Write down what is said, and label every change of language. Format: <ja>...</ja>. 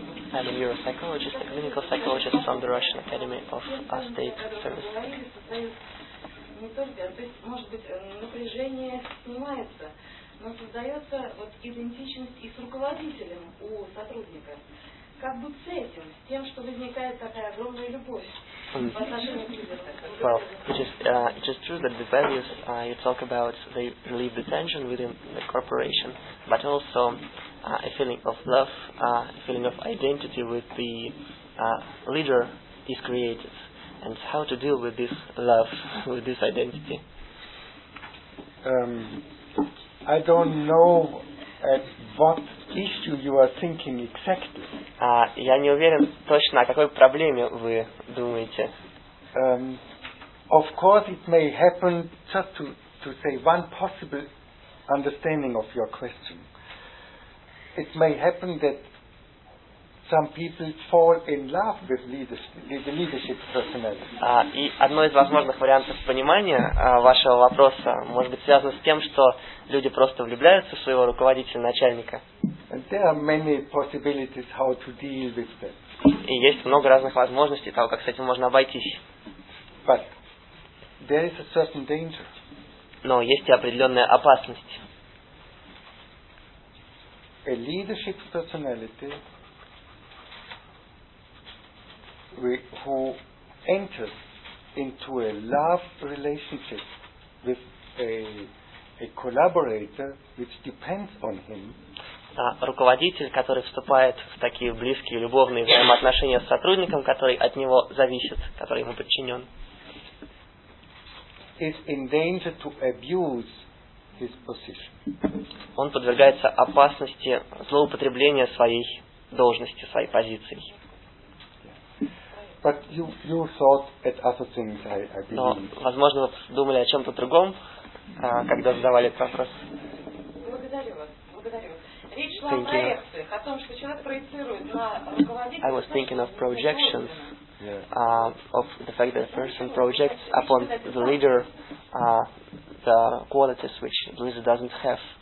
<en>I'm a neuropsychologist, a clinical psychologist from the Russian Academy of State Service.</en> <ru>Не только, то есть, может быть, напряжение снимается, но создается вот идентичность и с руководителем у сотрудника. Как бы с этим, с тем, что возникает такая огромная любовь по отношению к людям.</ru> <en>It is true that the values you talk about, they relieve the tension within the corporation, but also a feeling of love, a feeling of identity with the leader is created. And how to deal with this love, with this identity? I don't know at what issue you are thinking exactly.</en> <ru>Я не уверен точно, о какой проблеме вы думаете.</ru> <en>Of course, it may happen just to say one possible understanding of your question. It may happen that some people fall in love with leadership personnel.</en> <ru>И одно из возможных вариантов понимания вашего вопроса может быть связано с тем, что люди просто влюбляются в своего руководителя, начальника.</ru> <en>And there are many possibilities how to deal with that.</en> <ru>И есть много разных возможностей того, как с этим можно обойтись.</ru> <en>But there is a certain danger.</en> <ru>Но есть и определенная опасность.</ru> <en>A leadership personality who enters into a love relationship with a collaborator which depends on him.</en> <ru>Руководитель, который вступает в такие близкие любовные взаимоотношения с сотрудником, который от него зависит, который ему подчинен,</ru> <en>is in danger to abuse his position.</en> <ru>Он подвергается опасности злоупотребления своей должности, своей позицией.</ru> <en>But you thought at other things, I believe.</en> <ru>Но, возможно, вы думали о чем-то другом, когда задавали этот вопрос. Благодарю вас. Речь шла о том, что человек проецирует на руководителя.</ru> <en>I was thinking of projections, of the fact that a person projects upon the leader the qualities which the leader doesn't have.</en>